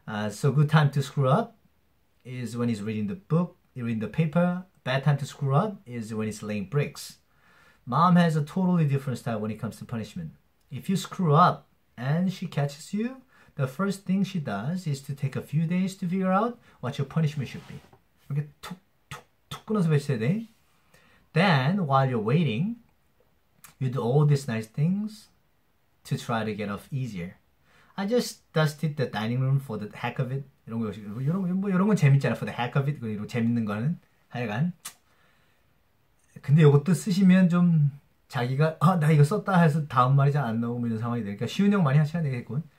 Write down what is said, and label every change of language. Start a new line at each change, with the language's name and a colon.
English: So good time to screw up is when he's reading the book, reading the paper. Bad time to screw up is when he's laying bricks. Mom has a totally different style when it comes to punishment. If you screw up and she catches you, the first thing she does is to take a few days to figure out what your punishment should be.
Korean: 이렇게 툭툭툭 끊어서 배치해야 돼.
English: Then, while you're waiting, you do all these nice things to try to get off easier. I just dusted the dining room for the heck of it.
Korean: 이런 거, 이런 건 재밌잖아.
English: For the heck of it.
Korean: 이런 재밌는 거는. 하여간. 근데 이것도 쓰시면 좀 자기가, 나 이거 썼다 해서 다음 말이 잘안 나오면 이런 상황이 되니까 쉬운 형 많이 하셔야 되겠군.